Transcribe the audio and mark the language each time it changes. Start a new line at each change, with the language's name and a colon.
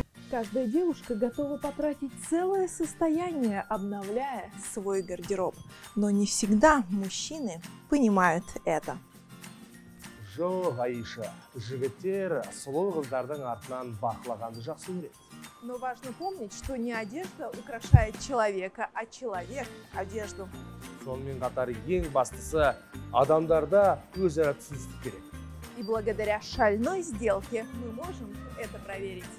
Russian: каждая девушка готова потратить целое состояние, обновляя свой гардероб. Но не всегда мужчины понимают это.
Kazakh: Жоқ, Айша, жігіттер сұлу қыздардың артынан бақылағанды жақсы көреді.
Russian: Но важно помнить, что не одежда украшает человека, а человек – одежду.
Kazakh: Сонымен қатар ең бастысы – адамдарда өзара түсіністік керек.
Russian: И благодаря шальной сделке мы можем это проверить.